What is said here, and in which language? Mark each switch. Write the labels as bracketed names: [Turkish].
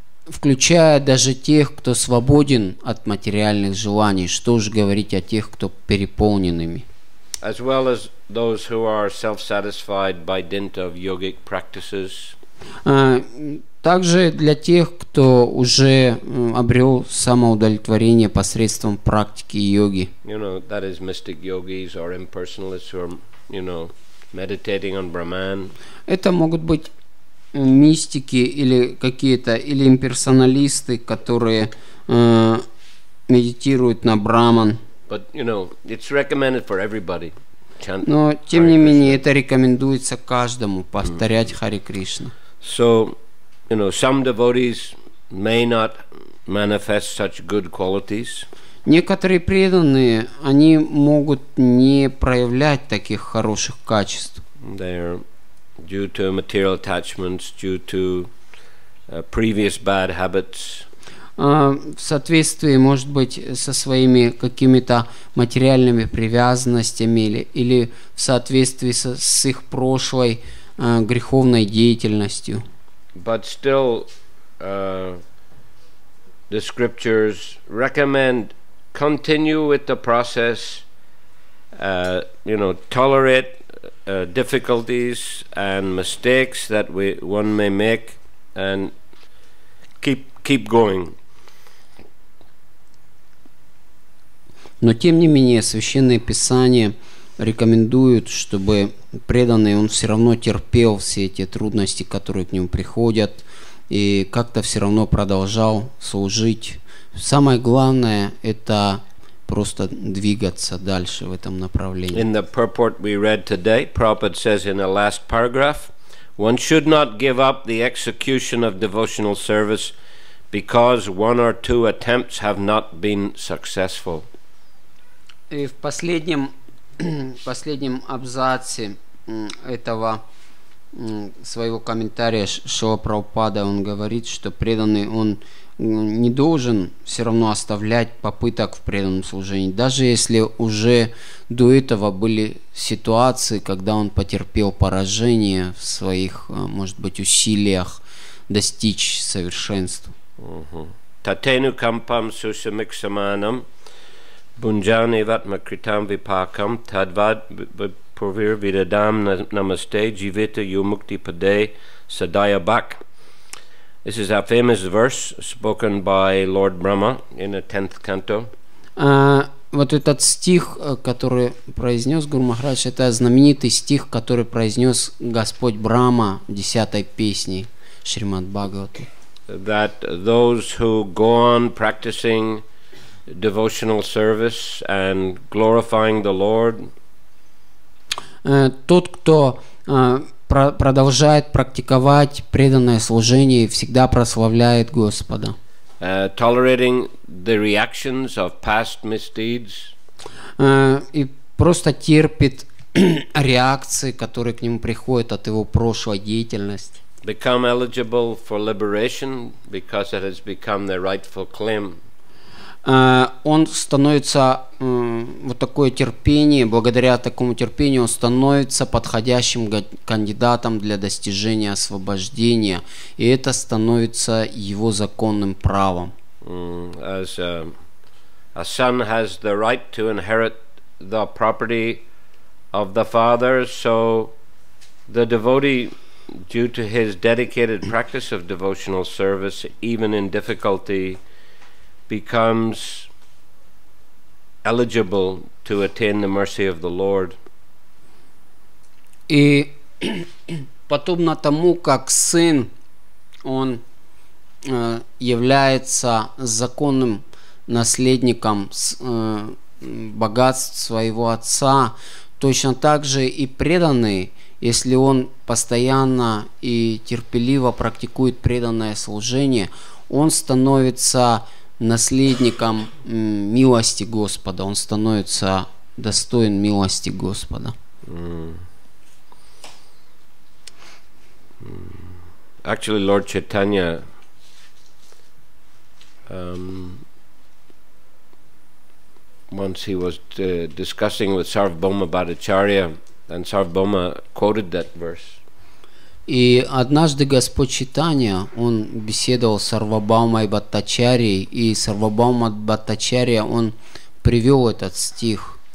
[Russian] Включая даже тех, кто свободен от материальных желаний, что уж говорить о тех, кто переполнен ими. [English] As well as those who are self-satisfied by dint of yogic practices. [Russian] Также для тех, кто уже обрел самоудовлетворение посредством практики йоги. [English] You know, that is mystic yogis or impersonalists who are, you know, meditating on Brahman. [Russian] Это могут быть мистики или какие-то или имперсоналисты, которые медитируют на Брахман. [English] But, you know, it's recommended for everybody. [Russian] Но тем не менее это рекомендуется каждому повторять Харе Кришна. [English] So, you know, some devotees may not manifest such good qualities. [Russian] Некоторые преданные, они могут не проявлять таких хороших качеств. [English] They're due to material attachments, due to previous bad habits. [Russian] В соответствии, может быть, со своими какими-то материальными привязанностями или в соответствии с их прошлой греховной деятельностью. [English] But still, the scriptures recommend continue with the process, you know, tolerate difficulties and mistakes that one may make, and keep going. [Russian] Но тем не менее Священное Писание рекомендует, чтобы преданный он все равно терпел все эти трудности, которые к нему приходят, и как-то все равно продолжал служить. Самое главное – это просто двигаться дальше в этом направлении. [English] In the purport we read today, Prabhupada says in the last paragraph, one should not give up the execution of devotional service because one or two attempts have not been successful. [Russian] И в последнем, последнем абзаце этого своего комментария Шрила Прабхупада он говорит, что преданный он не должен все равно оставлять попыток в преданном служении, даже если уже до этого были ситуации, когда он потерпел поражение в своих, может быть, усилиях достичь совершенства. [Sanskrit] Татену кампам сусамиксаманам бунджани ватмакритам випакам тадвад пурвир видадам намасте дживита юмукти паде садая бак. [English] This is a famous verse spoken by Lord Brahma in the 10th canto. [Russian] Вот этот стих, который произнес Гуру Махарадж, это знаменитый стих, который произнес Господь Брама в 10-й песне Шримад Бхагавата. [English] That those who go on practicing devotional service and glorifying the Lord. [Russian] Тот, кто продолжает практиковать преданное служение и всегда прославляет Господа. [English] Tolerating the reactions of past misdeeds. [Russian] И просто терпит реакции, которые к нему приходят от его прошлой деятельности. [English] Become eligible for liberation because it has become their rightful claim. [Russian] Он становится вот такое терпение, благодаря такому терпению он становится подходящим кандидатом для достижения освобождения, и это становится его законным правом. [English] As a son has the right to inherit the property of the father, so the devotee, due to his dedicated practice of devotional service, even in difficulty, becomes eligible to attain the mercy of the Lord. [Russian] И подобно тому, как сын, он является законным наследником богатств своего отца, точно так же и преданный, если он постоянно и терпеливо практикует преданное служение, он становится наследником милости Господа, он становится достоин милости Господа. [English] Actually, Lord Chaitanya um, once he was discussing with Sarvabhauma Bhattacharya, and Sarvabhauma quoted that verse. [Russian] И однажды Господь Читания, он беседовал с Сарвабхаумой Бхаттачарьей, и Сарвабхаума Бхаттачарья, он привел этот стих.